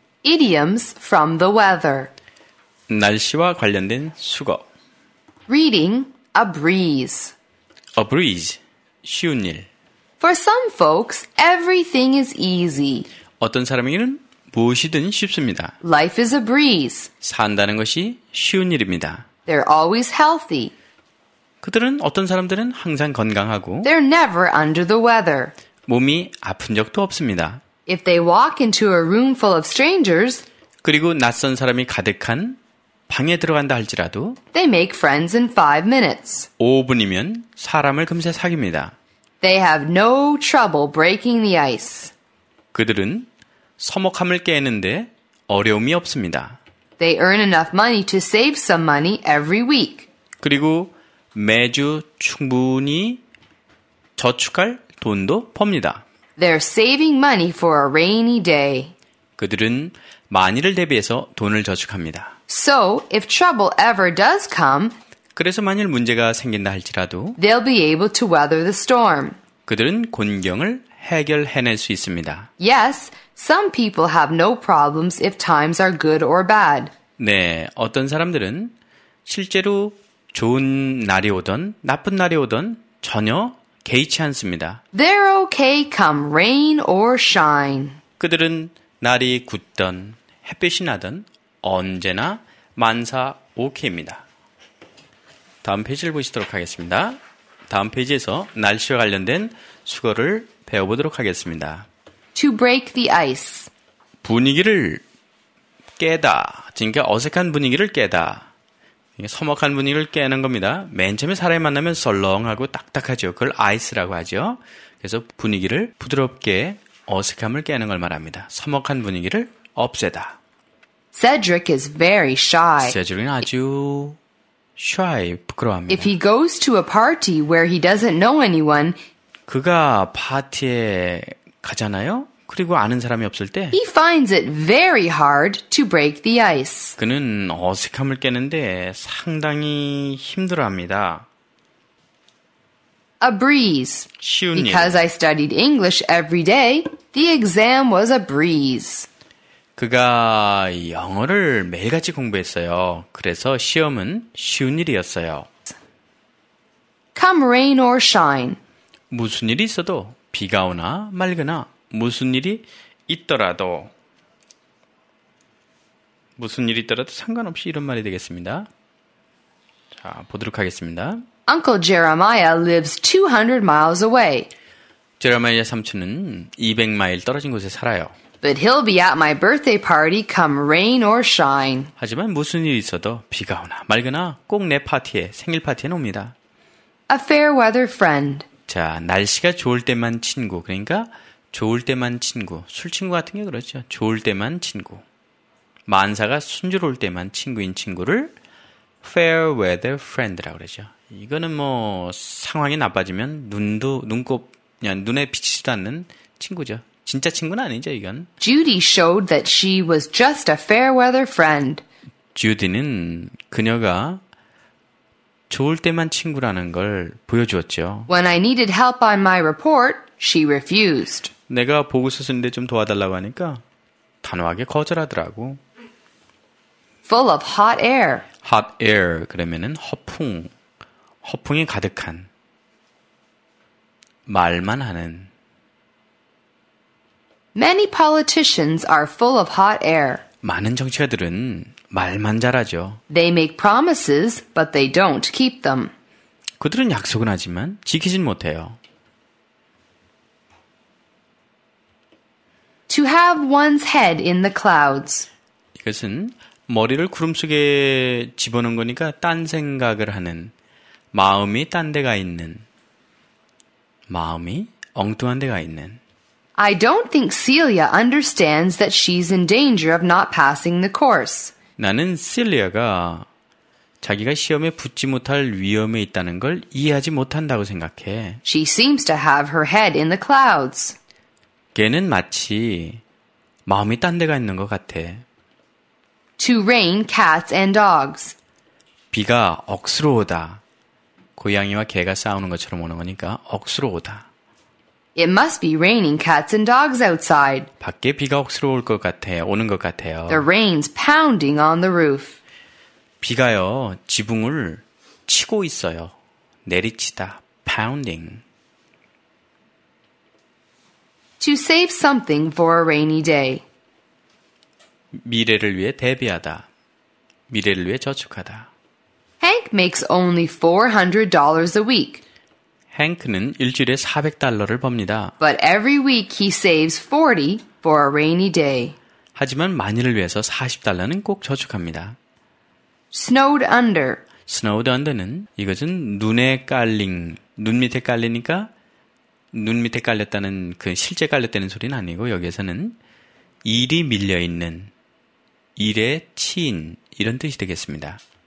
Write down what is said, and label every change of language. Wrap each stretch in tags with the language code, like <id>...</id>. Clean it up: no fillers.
<en>Idioms from the weather.</en> <ko>날씨와 관련된 수거.</ko> <en>Reading a breeze. A breeze.</en> <ko>쉬운 일.</ko> <en>For some folks, everything is easy.</en> <ko>어떤 사람에게는 무엇이든 쉽습니다.</ko> <en>Life is a breeze.</en> <ko>산다는 것이 쉬운 일입니다.</ko> <en>They're always healthy.</en> <ko>그들은 어떤 사람들은 항상 건강하고</ko> <en>They're never under the weather.</en> <ko>몸이 아픈 적도 없습니다.</ko> <en>If they walk into a room full of strangers,</en> <ko>그리고 낯선 사람이 가득한 방에 들어간다 할지라도</ko> <en>they make friends in 5 minutes.</en> <ko>5분이면 사람을 금세 사귑니다.</ko> <en>They have no trouble breaking the ice.</en> <ko>그들은 서먹함을 깨는데 어려움이 없습니다.</ko> <en>They earn enough money to save some money every week.</en> <ko>그리고 매주 충분히 저축할 돈도 법니다.</ko> <en>They're saving money for a rainy day.</en> <ko>그들은 만일을 대비해서 돈을 저축합니다.</ko> <en>So, if trouble ever does come,</en> <ko>그래서 만일 문제가 생긴다 할지라도</ko> <en>they'll be able to weather the storm.</en> <ko>그들은 곤경을 해결해낼 수 있습니다.</ko> <en>Yes, some people have no problems if times are good or bad.</en> <ko>네, 어떤 사람들은 실제로 좋은 날이 오든 나쁜 날이 오든 전혀 개의치 않습니다.</ko> <en>They're okay come rain or shine.</en> <ko>그들은 날이 굳든 햇빛이 나든 언제나 만사 오케이입니다. 다음 페이지를 보시도록 하겠습니다. 다음 페이지에서 날씨와 관련된 수거를 배워보도록 하겠습니다.</ko> <en>To break the ice.</en> <ko>분위기를 깨다. 그러니까 어색한 분위기를 깨다. 서먹한 분위기를 깨는 겁니다. 맨 처음에 사람이 만나면 썰렁하고 딱딱하죠. 그걸 아이스라고 하죠. 그래서 분위기를 부드럽게 어색함을 깨는 걸 말합니다. 서먹한 분위기를 없애다.</ko> <en>Cedric is very shy.</en> <ko>Cedric은 아주 shy, 부끄러워합니다.</ko> <en>If he goes to a party where he doesn't know anyone,</en> <ko>그가 파티에 가잖아요. 그리고 아는 사람이 없을 때</ko> <en>He finds it very hard to break the ice.</en> <ko>그는 어색함을 깨는데 상당히 힘들어합니다.</ko> <en>A breeze.</en> <ko>쉬운 일.</ko> <en>Because I studied English every day, the exam was a breeze.</en> <ko>그가 영어를 매일같이 공부했어요. 그래서 시험은 쉬운 일이었어요.</ko> <en>Come rain or shine.</en> <ko>무슨 일이 있어도 비가 오나 맑으나 무슨 일이 있더라도 상관없이 이런 말이 되겠습니다. 자, 보도록 하겠습니다.</ko> <en>Uncle Jeremiah lives 200 miles away.</en> <ko>제레마야 삼촌은 200마일 떨어진 곳에 살아요.</ko> <en>But he'll be at my birthday party come rain or shine.</en> <ko>하지만 무슨 일이 있어도 비가 오나 맑으나 꼭 내 파티에 생일 파티에 옵니다.</ko> <en>A fair weather friend.</en> <ko>자, 날씨가 좋을 때만 친구. 그러니까 좋을 때만 친구. 술 친구 같은 게 그렇죠. 좋을 때만 친구. 만사가 순조로울 때만 친구인 친구를</ko> <en>fair weather friend</en> <ko>라고 그러죠. 이거는 뭐 상황이 나빠지면 눈에 비치지도 않는 친구죠. 진짜 친구는 아니죠, 이건.</ko> <en>Judy showed that she was just a fair weather friend.</en> <ko>Judy는 그녀가 좋을 때만 친구라는 걸 보여주었죠.</ko> <en>When I needed help on my report, she refused.</en> <ko>내가 보고서 쓰는데 좀 도와달라고 하니까 단호하게 거절하더라고.</ko> <en>Full of hot air. Hot air.</en> <ko>그러면은 허풍. 허풍이 가득한. 말만 하는.</ko> <en>Many politicians are full of hot air.</en> <ko>많은 정치가들은 말만 잘하죠.</ko> <en>They make promises, but they don't keep them.</en> <ko>그들은 약속은 하지만 지키진 못해요.</ko> <en>To have one's head in the clouds.</en> <ko>이것은 머리를 구름 속에 집어넣은 거니까 딴 생각을 하는, 마음이 딴 데가 있는, 마음이 엉뚱한 데가 있는.</ko> <en>I don't think Celia understands that she's in danger of not passing the course.</en> <ko>나는 Celia가 자기가 시험에 붙지 못할 위험에 있다는 걸 이해하지 못한다고 생각해.</ko> <en>She seems to have her head in the clouds.</en> <ko>걔는 마치 마음이 딴 데가 있는 것 같아.</ko> <en>To rain cats and dogs.</en> <ko>비가 억수로 오다. 고양이와 개가 싸우는 것처럼 오는 거니까 억수로 오다.</ko> <en>It must be raining cats and dogs outside.</en> <ko>밖에 비가 혹시로 올 것 같아요. 오는 것 같아요.</ko> <en>The rain's pounding on the roof.</en> <ko>비가요. 지붕을 치고 있어요. 내리치다. Pounding.</ko> <en>To save something for a rainy day.</en> <ko>미래를 위해 대비하다. 미래를 위해 저축하다.</ko> <en>Hank makes only $400 a week.</en> <ko>헹크는 일주일에 400달러를 법니다.</ko> <en>But every week he saves 40 for a rainy day.</en> <ko>하지만 만일을 위해서 40달러는 꼭 저축합니다.</ko> <en>Snowed under. Snowed under</en> <ko>는 이것은 눈에 깔린, 눈 밑에 깔리니까 눈 밑에 깔렸다는 그 실제 깔렸다는 소리는 아니고 여기에서는 일이 밀려있는, 일에 치인 이런 뜻이 되겠습니다.</ko>